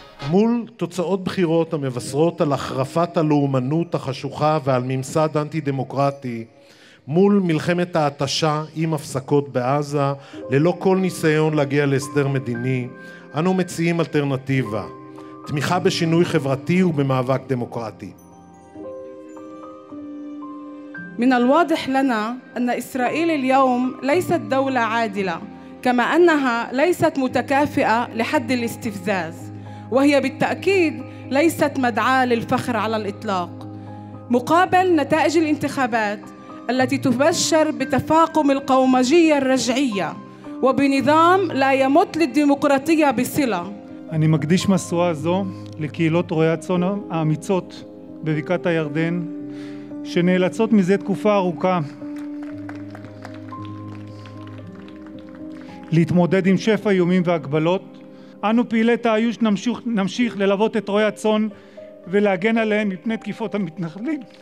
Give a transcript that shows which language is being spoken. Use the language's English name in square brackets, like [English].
[Hebrew] מול תוצאות בחירות המבשרות על החרפת הלאומנות החשוכה ועל ממסד אנטי-דמוקרטי, מול מלחמת ההתשה עם הפסקות בעזה, ללא כל ניסיון להגיע להסדר מדיני, אנו מציעים אלטרנטיבה, תמיכה בשינוי חברתי ובמאבק דמוקרטי. [Arabic] من الواضح لنا ان اسرائيل اليوم ليست دولة عادلة كما انها ليست متكافئة لحد الاستفزاز وهي بالتأكيد ليست مدعاة للفخر على الإطلاق مقابل نتائج الانتخابات التي تبشر بتفاقم القومجية الرجعية وبنظام لا يمت للديمقراطية بصلة [Hebrew] אני מקדיש מסוע זו לקהילות רועי הצאן האמיצות בבקעת הירדן שנאלצות מזה תקופה ארוכה להתמודד עם שפע איומים והגבלות. אנו פעילי תאיוש נמשיך ללוות את רועי הצאן ולהגן עליהם מפני תקיפות המתנחלים.